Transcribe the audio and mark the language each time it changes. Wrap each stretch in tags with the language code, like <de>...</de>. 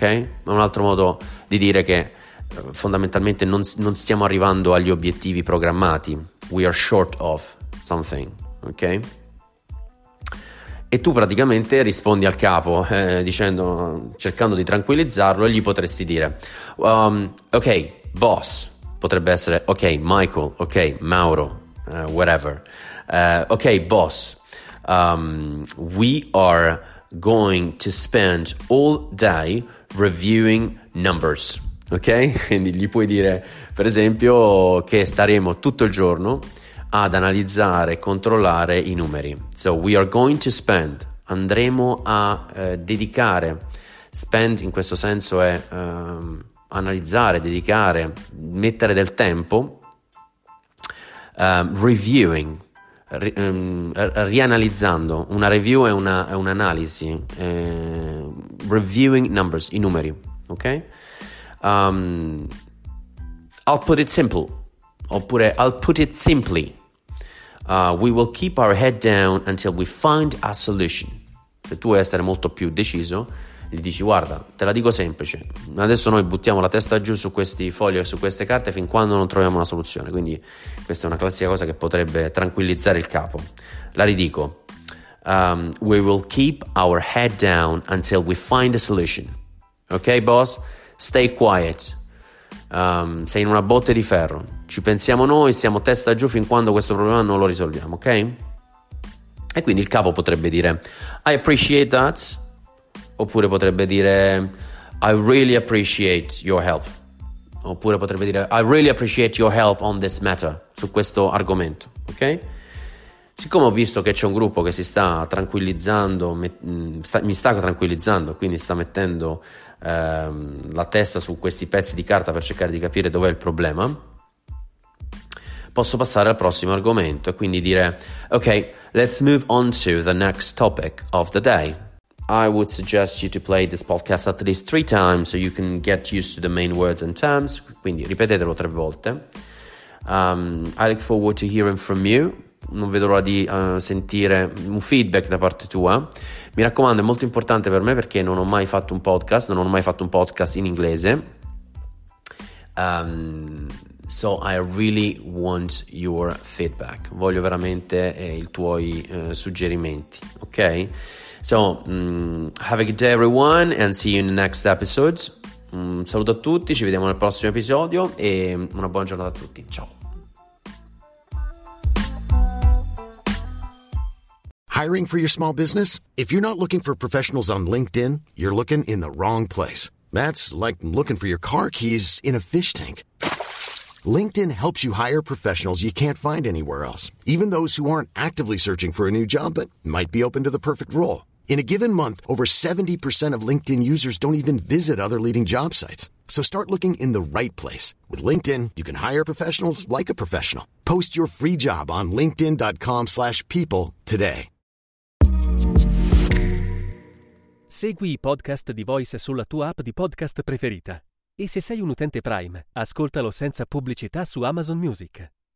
<it>È un altro modo di dire che fondamentalmente non stiamo arrivando agli obiettivi programmati,</it> <en>we are short of something,</en> <it>ok? E tu praticamente rispondi al capo dicendo, cercando di tranquillizzarlo, e gli potresti dire ok, boss, potrebbe essere ok, Michael, ok, Mauro, whatever.</it> <en>Ok, boss, we are going to spend all day reviewing numbers. Ok?</en> <it>Quindi gli puoi dire, per esempio, che staremo tutto il giorno ad analizzare e controllare i numeri.</it> <en>So we are going to spend,</en> <it>andremo a dedicare. Spend in questo senso è analizzare, dedicare, mettere del tempo, reviewing, rianalizzando. Una review è un'analisi,</it> <en>reviewing numbers,</en> <it>i numeri, ok?</it> <en>I'll put it simply. We will keep our head down until we find a solution.</en> <it>Se tu vuoi essere molto più deciso, gli dici, guarda, te la dico semplice, adesso noi buttiamo la testa giù su questi fogli e su queste carte fin quando non troviamo una soluzione. Quindi questa è una classica cosa che potrebbe tranquillizzare il capo. La ridico.</it> <en>We will keep our head down until we find a solution. Ok, boss? Stay quiet.</en> <it>Sei in una botte di ferro, ci pensiamo noi, siamo testa giù fin quando questo problema non lo risolviamo, ok? E quindi il capo potrebbe dire</it> <en>I appreciate that,</en> <it>oppure potrebbe dire</it> <en>I really appreciate your help,</en> <it>oppure potrebbe dire</it> <en>I really appreciate your help on this matter,</en> <it>su questo argomento, ok? Siccome ho visto che c'è un gruppo che si sta tranquillizzando, mi sta tranquillizzando, quindi sta mettendo la testa su questi pezzi di carta per cercare di capire dov'è il problema, posso passare al prossimo argomento e quindi dire ok,</it> <en>let's move on to the next topic of the day. I would suggest you to play this podcast at least 3 times so you can get used to the main words and terms.</en> <it>Quindi ripetetelo 3 volte.</it> <en>I look forward to hearing from you.</en> <it>Non vedo l'ora di sentire un feedback da parte tua. Mi raccomando, è molto importante per me perché non ho mai fatto un podcast, non ho mai fatto un podcast in inglese.</it> <en>So I really want your feedback.</en> <it>Voglio veramente i tuoi suggerimenti, ok?</it> <en>So, have a good day everyone and see you in the next episode.</en> <it>Saluto a tutti, ci vediamo nel prossimo episodio e una buona giornata a tutti. Ciao.</it> <en>Hiring for your small business? If you're not looking for professionals on LinkedIn, you're looking in the wrong place. That's like looking for your car keys in a fish tank. LinkedIn helps you hire professionals you can't find anywhere else, even those who aren't actively searching for a new job but might be open to the perfect role. In a given month, over 70% of LinkedIn users don't even visit other leading job sites. So start looking in the right place. With LinkedIn, you can hire professionals like a professional. Post your free job on linkedin.com/people today.</en> <it>Segui i podcast di Voice sulla tua app di podcast preferita. E se sei un utente Prime, ascoltalo senza pubblicità su Amazon Music.</it>